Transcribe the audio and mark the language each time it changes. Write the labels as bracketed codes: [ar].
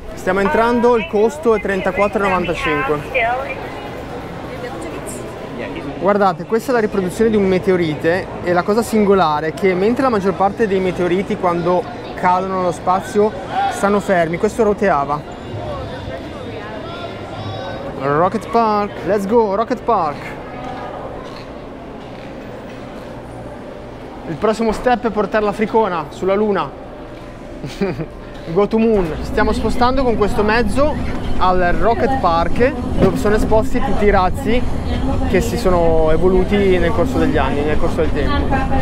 [it] Stiamo entrando, il costo è 34,95. Guardate, questa è la riproduzione di un meteorite, e la cosa singolare è che mentre la maggior parte dei meteoriti quando cadono nello spazio stanno fermi, questo roteava. [en] Rocket Park, let's go, Rocket Park. [it] Il prossimo step è portare la Africona sulla Luna. [en] Go to Moon. [it] Stiamo spostando con questo mezzo al Rocket Park, dove sono esposti tutti i razzi che si sono evoluti nel corso degli anni, nel corso del tempo.